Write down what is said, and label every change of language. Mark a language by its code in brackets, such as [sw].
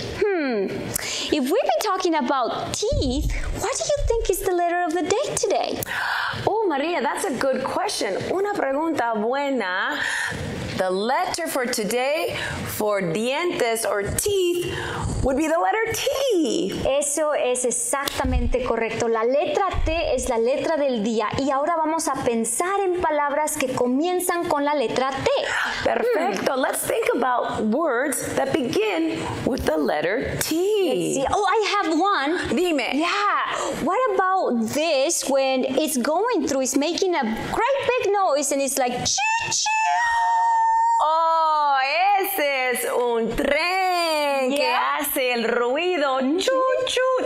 [en] If we've been talking about teeth, what do you think is the letter of the day today? Oh, Maria, that's a good question. [es] Una pregunta buena. [en] The letter for today for dientes or teeth would be the letter T. [es] Eso es exactamente correcto. La letra T es la letra del día. Y ahora vamos a pensar en palabras que comienzan con la letra T. Perfecto. Hmm. [en] Let's think about words that begin with the letter T. Let's see. Oh, I have one. [es] Dime. [en] Yeah. What about this when it's going through? It's making a great big noise and it's like, choo-choo. [es] Oh, ese es un tren que hace el ruido, choo-choo.